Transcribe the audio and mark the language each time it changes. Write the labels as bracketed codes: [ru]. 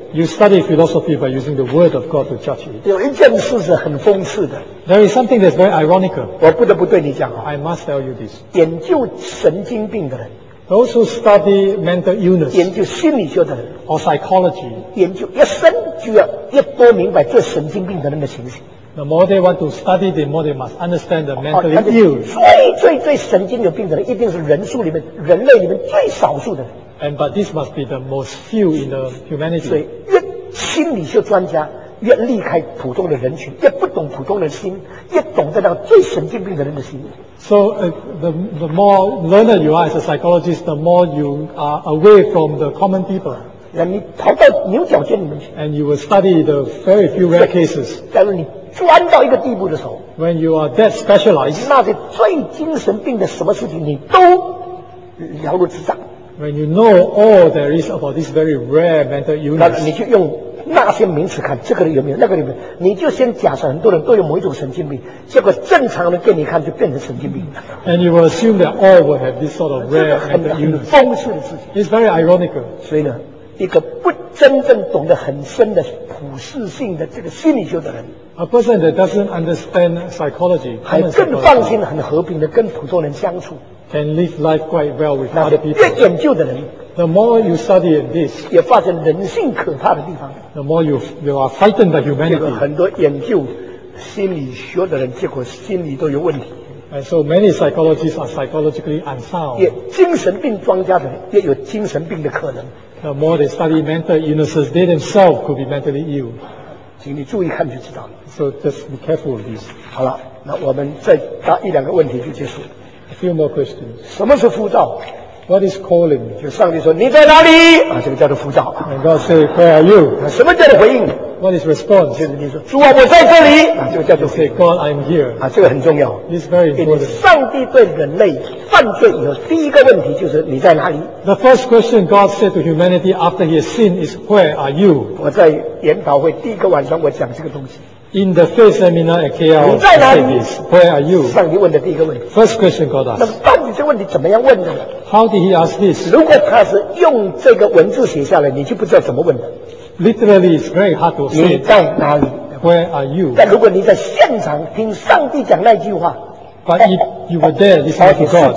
[en] You study philosophy by using the word of God to judge it. [zh] 有一件事是很讽刺的。 [en] There is something that's very ironical. [zh] 我不得不对你讲啊。 [en] I must tell you this. [zh] 研究神经病的人。 [en] Those who study mental illness, [zh] 研究心理学的人 [en] or psychology, [zh] 研究一生就要越多明白这神经病的人的情形。 [en] The more they want to study, the more they must understand the mental illness. [zh] 最最最神经有病的人，一定是人数里面人类里面最少数的人。 [en] And but this must be the most few in the humanity. [zh] 所以越心理学专家越离开普通的人群，越不懂普通的心，越懂得到最神经病的人的心。 [en] So, the more learned you are as a psychologist, the more you are away from the common people. [zh] 那你跑到牛角尖里面去。 [en] And you will study the very few rare cases. [zh] 但是你钻到一个地步的时候。 [en] When you are that specialized. [zh] 那些最精神病的什么事情你都了如指掌。 [en] When you know all there is about this very rare mental illness. [zh] 那你就用那些名词看这个人有没有那个人有没有，你就先假设很多人都有某一种神经病，结果正常人给你看就变成神经病。 [en] And you will assume that all will have this sort of rare and unique. [zh] 讽刺的事情。 [en] It's very ironical. [zh] 所以呢，一个不真正懂得很深的普世性的这个心理学的人 [en] ，A person that doesn't understand psychology， [zh] 还更放心、很和平的跟普通人相处 [en] ，can live life quite well with other people. [zh] 越研究的人。 [en] The more you study in this, [zh] 也发现人性可怕的地方。 [en] The more you are frightened by humanity. [zh] 结果很多研究心理学的人，结果心理都有问题。 [en] And so many psychologists are psychologically unsound. [zh] 也精神病专家的人也有精神病的可能。 [en] The more they study mental illnesses, they themselves could be mentally ill. [zh] 请你注意看就知道了。 [en] So just be careful of this. [zh] 好了，那我们再答一两个问题就结束。 [en] A few more questions. [zh] 什么是呼召？ [en] What is calling? [zh] 就上帝说你在哪里？啊，这个叫做呼召。 [en] And God say, Where are you? [zh] 什么叫做回应？ [en] What is response? [zh] 就是你说主啊，我在这里。啊，这个叫做 [en] say God, I'm here。 [zh] 啊，这个很重要。 [en] This is very important。 [zh] 上帝对人类犯罪以后，第一个问题就是你在哪里 [en] ？The first question God said to humanity after he sinned is, "Where are you?" [zh] 我在研讨会第一个晚上，我讲这个东西。 [en] In the faith seminar at KL, you [zh] 在哪里 [en] this, ？Where are you？ [zh] 上帝问的第一个问题。 [en] First question God asked。 [zh] 那到底这问题怎么样问的呢 [en] ？How did he ask this？ [zh] 如果他是用这个文字写下来，你就不知道怎么问的。 [en] Literally, it's very hard to say. [zh] 你在哪里 [en] ？Where are you？ [zh] 但如果你在现场听上帝讲那句话 [en] ，But if you were there listening to God，